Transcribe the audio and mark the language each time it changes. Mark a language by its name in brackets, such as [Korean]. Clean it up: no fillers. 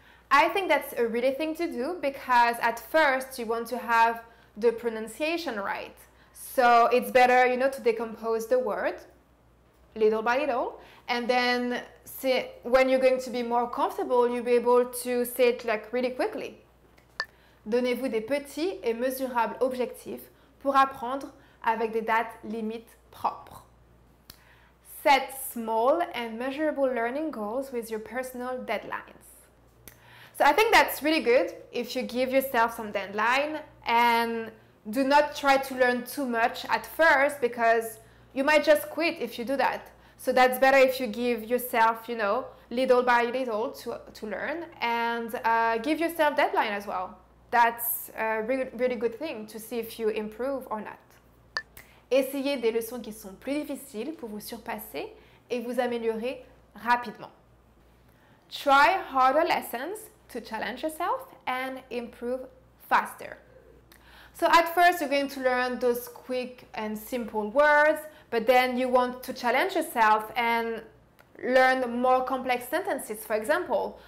[English] I think that's a really thing to do because at first you want to have the pronunciation right. So it's better, you know, to decompose the word little by little. And then see when you're going to be more comfortable, you'll be able to say it like really quickly. [French] Donnez-vous des petits et mesurables objectifs pour apprendre avec des dates limites propres. [English] Set small and measurable learning goals with your personal deadlines. So I think that's really good if you give yourself some deadline and do not try to learn too much at first because you might just quit if you do that. So that's better if you give yourself, you know, little by little to learn and give yourself deadline as well. That's a really good thing to see if you improve or not. [French] Essayez des leçons qui sont plus difficiles pour vous surpasser et vous améliorer rapidement. [English] Try harder lessons to challenge yourself and improve faster. So at first you're going to learn those quick and simple words, but then you want to challenge yourself and learn more complex sentences, for example.